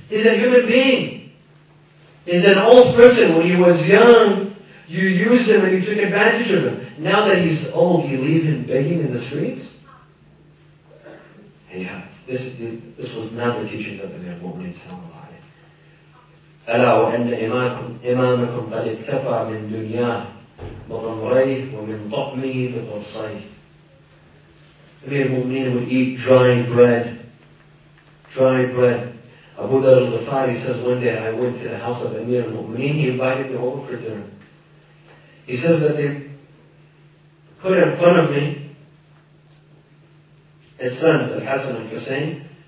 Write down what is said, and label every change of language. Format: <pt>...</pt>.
<en>He's a human being. He's an old person. When he was young, you used him and you took advantage of him. Now that he's old, you leave him begging in the streets? And yeah, this was not the teachings of Amir al-Mu'mineen.</en> <ar>ألا وأن إمامكم قد اكتفى من دنياه بغمريه ومن طعمه بقرصيه.</ar> <en>Amir al-Mu'mineen would eat dry bread. Abu Dhar al-Ghifari says, one day I went to the house of Amir al-Mu'mineen, he invited me over for dinner. He says that they put in front of me his sons, Al-Hasan and Hussein.</en>